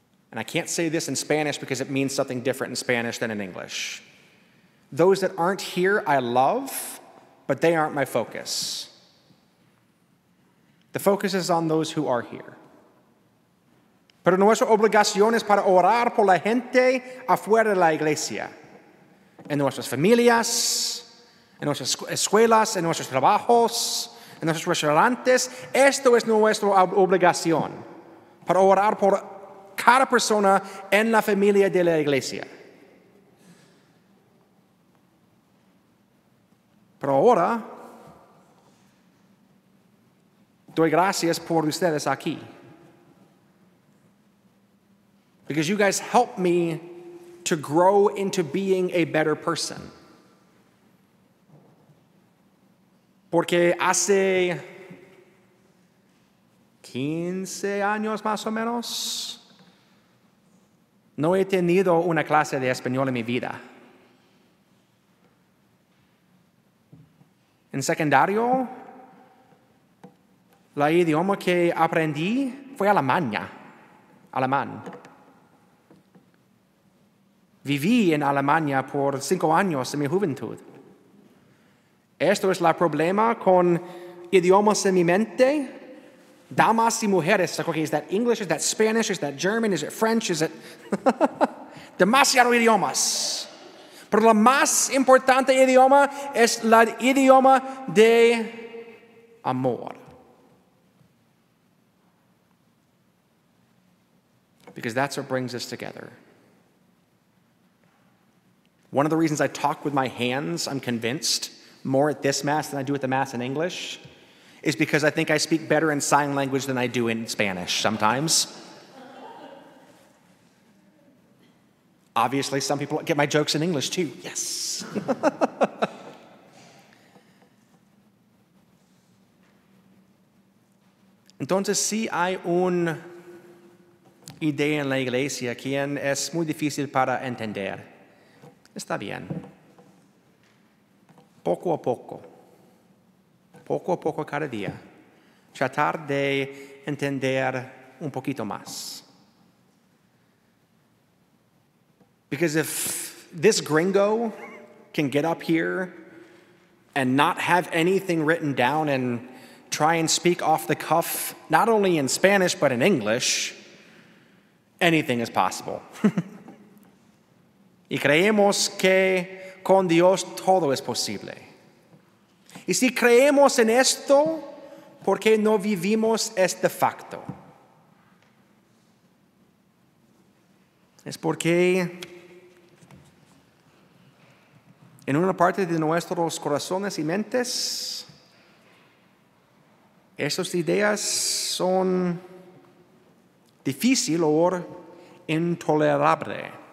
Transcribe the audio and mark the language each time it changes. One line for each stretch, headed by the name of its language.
English: And I can't say this in Spanish because it means something different in Spanish than in English. Those that aren't here, I love, but they aren't my focus. The focus is on those who are here.
Spanish: Pero nuestra obligación es para orar por la gente afuera de la iglesia. En nuestras familias, en nuestras escuelas, en nuestros trabajos, en nuestros restaurantes. Esto es nuestra obligación. Para orar por cada persona en la familia de la iglesia. Pero ahora, doy gracias por ustedes aquí.
English: Because you guys help me to grow into being a better person.
Spanish: Porque hace 15 años más o menos, no he tenido una clase de español en mi vida. En secundario, el idioma que aprendí fue alemán. Viví en Alemania por 5 años en mi juventud. Esto es el problema con idiomas en mi mente. Damas y mujeres,
English: like, okay, is that English, is that Spanish, is that German, is it French, is it...
Spanish: Demasiado idiomas. Pero lo más importante idioma es el idioma de amor.
English: Because that's what brings us together. One of the reasons I talk with my hands, I'm convinced, more at this Mass than I do at the Mass in English, is because I think I speak better in sign language than I do in Spanish sometimes. Obviously, some people get my jokes in English too. Yes.
Spanish: Entonces, si hay un idea en la iglesia quien es muy difícil para entender, está bien. Poco a poco. Poco a poco cada día, tratar de entender un poquito más.
English: Because if this gringo can get up here and not have anything written down and try and speak off the cuff, not only in Spanish, but in English, anything is possible.
Spanish: Y creemos que con Dios todo es posible. Y si creemos en esto, ¿por qué no vivimos este facto? Es porque en una parte de nuestros corazones y mentes, esas ideas son difíciles o intolerables.